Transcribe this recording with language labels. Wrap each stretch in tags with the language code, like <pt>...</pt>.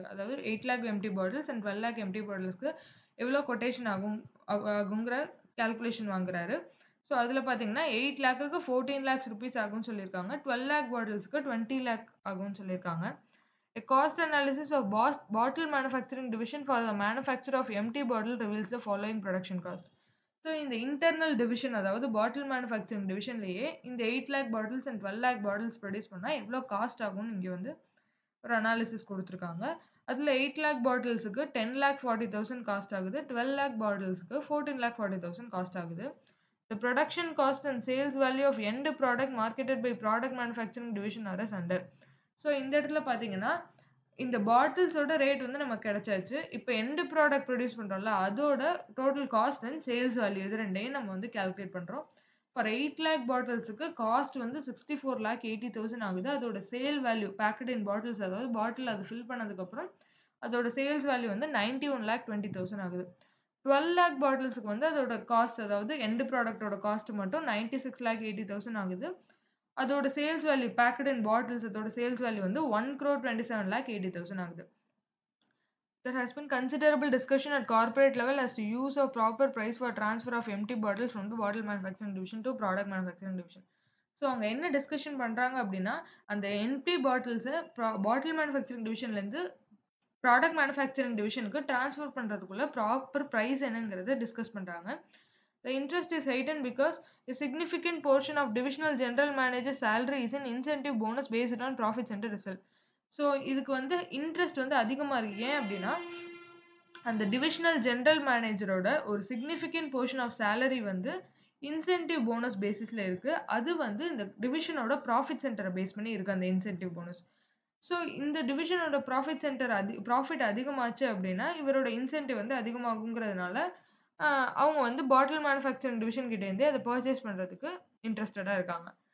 <ta>அதாவது</ta> <en>8 lakh empty bottles</en> <ta>and 12 lakh empty bottlesக்கு எவ்வளோ quotation ஆகுங்கிற calculation வாங்குறாரு. So அதில் பார்த்தீங்கன்னா 8 lakhக்கு 14 lakhs rupees ஆகும்னு சொல்லியிருக்காங்க, 12 lakh bottlesக்கு 20 lakh ஆகும்னு சொல்லியிருக்காங்க.</ta> <en>A cost analysis of bottle manufacturing division for the manufacture of empty bottle reveals the following production cost. So in the internal division</en> <ta>அதாவது bottle manufacturing division லேயே இந்த 8 lakh bottles and 12 lakh bottles produce பண்ணா எவ்வளோ cost ஆகும்னு இங்கே வந்து ஒரு analysis கொடுத்துருக்காங்க. அதில் 8 lakh bottlesுக்கு 10 lakh 40,000 காஸ்ட் ஆகுது, 12 lakh bottlesுக்கு 14 lakh 40,000 காஸ்ட் ஆகுது.</ta> <en>The production cost and sales value of end product marketed by product manufacturing division are as under.</en> <ta>So இந்த இடத்துல பார்த்தீங்கன்னா இந்த பாட்டில்ஸோட ரேட் வந்து நமக்கு கிடச்சாச்சு. இப்போ எண்டு ப்ராடக்ட் ப்ரொடியூஸ் பண்ணுறோம்ல அதோட total cost and sales value இது ரெண்டையும் நம்ம வந்து கால்குலேட் பண்ணுறோம். ஃபார் 8 லேக் பாட்டில்ஸுக்கு காஸ்ட் வந்து 64 லேக் 80,000 ஆகுது. அதோட சேல் வேல்யூ</ta> <en>packed in bottles</en> <ta>அதாவது பாட்டில் அது ஃபில் பண்ணதுக்கப்புறம் அதோட சேல்ஸ் வேல்யூ வந்து 91 லேக் 20,000 ஆகுது. 12 லேக் பாட்டில்ஸுக்கு வந்து அதோட காஸ்ட் அதாவது எண்டு ப்ராடக்டோட காஸ்ட் மட்டும் 96 லேக் 80,000 ஆகுது. அதோட சேல்ஸ் வேல்யூ</ta> <en>packed in bottles</en> <ta>அதோட சேல்ஸ் வேல்யூ வந்து 1 crore 27 lakh 80,000 ஆகுது.</ta> <en>There has been considerable discussion at corporate level as to use of proper price for transfer of empty bottles from to bottle manufacturing division to product manufacturing division.</en> <ta>So அவங்க என்ன discussion பண்ணுறாங்க அப்படின்னா அந்த empty பாட்டில்ஸை பாட்டில் manufacturing டிவிஷன்லேருந்து product manufacturing டிவிஷனுக்கு transfer பண்ணுறதுக்குள்ளே proper price என்னங்கிறத discuss பண்ணுறாங்க.</ta> <en>The interest is heightened because a significant portion of divisional general manager salary is an incentive bonus based on profits and result.</en> <ta>So இதுக்கு வந்து interest வந்து அதிகமாக இருக்குது. ஏன் அப்படின்னா அந்த divisional general managerோட ஒரு</ta> <en>significant portion of salary</en> <ta>வந்து incentive bonus basisல இருக்குது. அது வந்து இந்த டிவிஷனோட ப்ராஃபிட் சென்டரை பேஸ் பண்ணி இருக்குது அந்த இன்சென்டிவ் போனஸ். ஸோ இந்த டிவிஷனோட ப்ராஃபிட் சென்டர் ப்ராஃபிட் அதிகமாச்சு அப்படின்னா இவரோட இன்சென்டிவ் வந்து அதிகமாகுங்கிறதுனால அவங்க வந்து பாட்டில் மேனுஃபேக்சரிங் டிவிஷன் கிட்டேருந்தே அதை பர்ச்சேஸ் பண்ணுறதுக்கு இன்ட்ரெஸ்டடாக இருக்காங்க.</ta>